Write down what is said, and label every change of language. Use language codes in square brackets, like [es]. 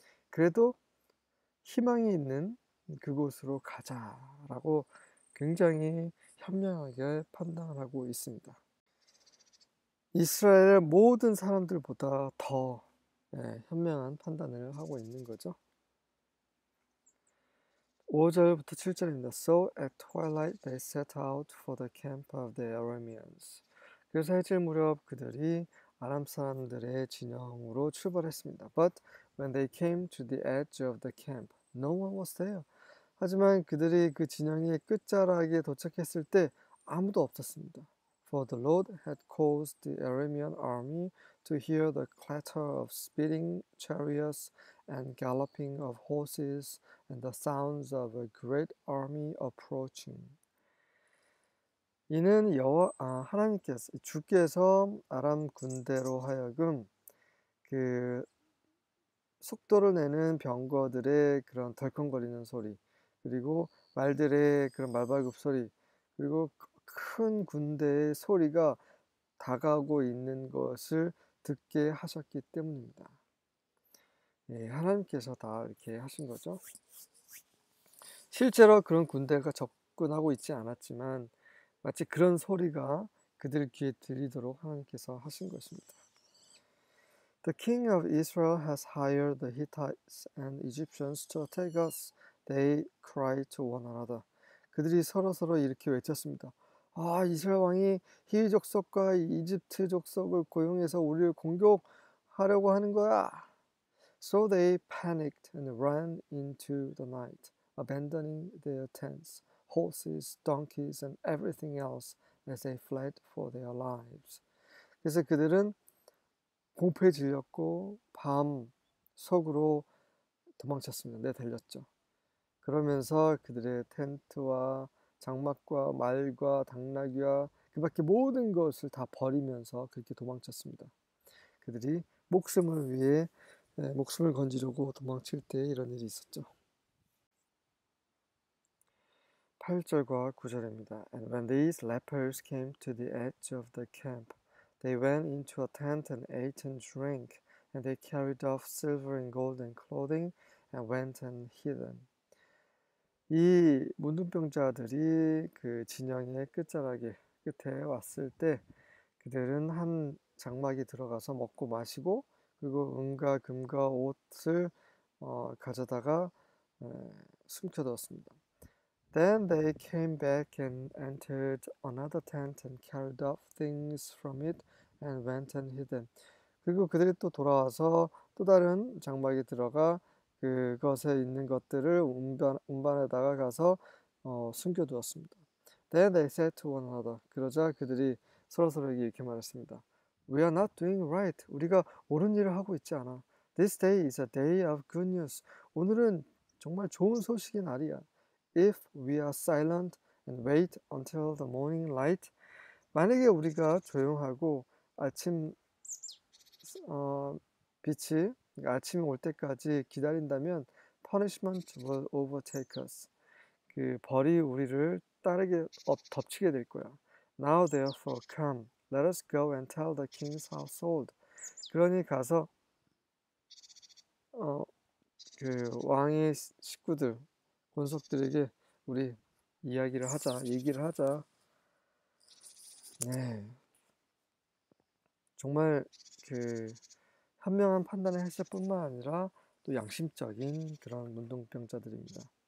[ko] 그래도 희망이 있는 그곳으로 가자라고 굉장히 현명하게 판단하고 있습니다. 이스라엘의 모든 사람들보다 더 현명한 판단을 하고 있는 거죠. 5절부터 7절입니다. [en] So at twilight they set out for the camp of the Arameans. [ko] 그래서 해질 무렵 그들이 아람 사람들의 진영으로 출발했습니다. [en] But when they came to the edge of the camp, no one was there. [ko] 하지만 그들이 그 진영의 끝자락에 도착했을 때 아무도 없었습니다. [en] For the Lord had caused the Aramean army to hear the clatter of speeding chariots and galloping of horses and the sounds of a great army approaching. [ko] 이는 하나님께서 주께서 아람 군대로 하여금 그 속도를 내는 병거들의 그런 덜컹거리는 소리, 그리고 말들의 그런 말발굽 소리, 그리고 큰 군대의 소리가 다가오고 있는 것을 듣게 하셨기 때문입니다. 예, 하나님께서 다 이렇게 하신 거죠. 실제로 그런 군대가 접근하고 있지 않았지만 마치 그런 소리가 그들 귀에 들리도록 하나님께서 하신 것입니다. [en] The king of Israel has hired the Hittites and Egyptians to attack us. They cry to one another. [ko] 그들이 서로서로 이렇게 외쳤습니다. 아, 이스라엘 왕이 히위 족속과 이집트 족속을 고용해서 우리를 공격하려고 하는 거야. [en] So they panicked and ran into the night, abandoning their tents, horses, donkeys, and everything else as they fled for their lives. [ko] 그래서 그들은 공포에 질렸고 밤 속으로 도망쳤습니다. 내달렸죠. 그러면서 그들의 텐트와 장막과 말과 당나귀와 그 밖에 모든 것을 다 버리면서 그렇게 도망쳤습니다. 그들이 목숨을 건지려고 도망칠 때 이런 일이 있었죠. 8절과 9절입니다. [en] And when these lepers came to the edge of the camp, they went into a tent and ate and drank, and they carried off silver and gold and clothing and went and hid them. [ko] 이 문둥병자들이 그 진영의 끝자락에 끝에 왔을 때 그들은 한 장막에 들어가서 먹고 마시고 그리고 은과 금과 옷을 가져다가 숨겨두었습니다. [en] Then they came back and entered another tent and carried off things from it and went and hid them. [ko] 그리고 그들이 또 돌아와서 또 다른 장막에 들어가 그것에 있는 것들을 운반에다가 가서 숨겨두었습니다. [en] Then they said to one another. [ko] 그러자 그들이 서로서로에게 이렇게 말했습니다. [en] We are not doing right. [ko] 우리가 옳은 일을 하고 있지 않아. [en] This day is a day of good news. [ko] 오늘은 정말 좋은 소식의 날이야. [en] If we are silent and wait until the morning light, [ko] 만약에 우리가 조용하고 아침이 올 때까지 기다린다면, [en] punishment will overtake us. [ko] 그 벌이 우리를 덮치게 될 거야. [en] Now therefore come, let us go and tell the king's household. [ko] 그러니 가서 왕의 식구들, 권속들에게 우리 이야기를 하자, 얘기를 하자. 네. 정말 현명한 판단을 했을 뿐만 아니라 또 양심적인 그런 문둥병자들입니다.